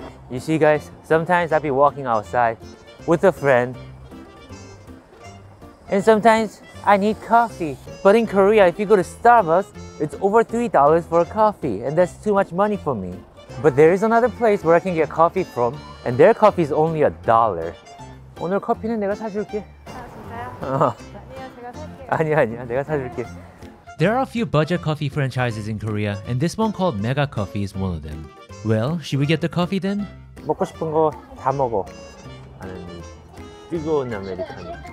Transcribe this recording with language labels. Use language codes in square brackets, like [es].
[en] You see guys, sometimes I'd be walking outside with a friend. And sometimes I need coffee, but in Korea, if you go to Starbucks, it's over $3 for a coffee, and that's too much money for me. But there is another place where I can get coffee from, and their coffee is only a dollar. [ko] 오늘 커피는 내가 사줄게. 아, 진짜요? 아니야, 아니야, 내가 사줄게. [en] There are a few budget coffee franchises in Korea, and this one called Mega Coffee is one of them. Well, should we get the coffee then? [ko] 먹고 싶은 거 다 먹어. 나는 뜨거운 아메리카노.